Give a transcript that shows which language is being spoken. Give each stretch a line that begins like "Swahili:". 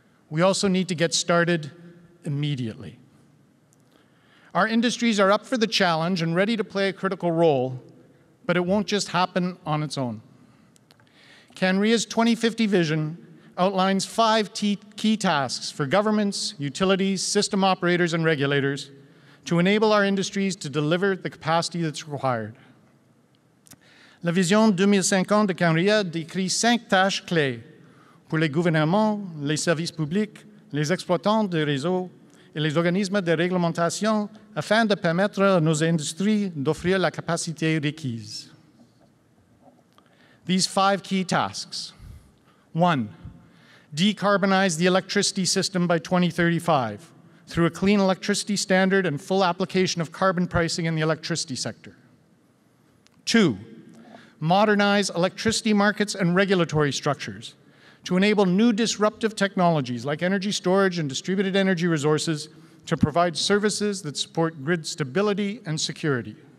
English: We also need to get started immediately. Our industries are up for the challenge and ready to play a critical role, but it won't just happen on its own. CanREA's 2050 vision outlines five key tasks for governments, utilities, system operators, and regulators to enable our industries to deliver the capacity that's required.
French: La vision 2050 de CanREA décrit cinq tâches clés pour les gouvernements, les services publics, les exploitants de réseaux et les organismes de réglementation afin de permettre à nos industries d'offrir la capacité requise.
English: These five key tasks. One, decarbonize the electricity system by 2035 through a clean electricity standard and full application of carbon pricing in the electricity sector. Two, modernize electricity markets and regulatory structures to enable new disruptive technologies like energy storage and distributed energy resources to provide services that support grid stability and security.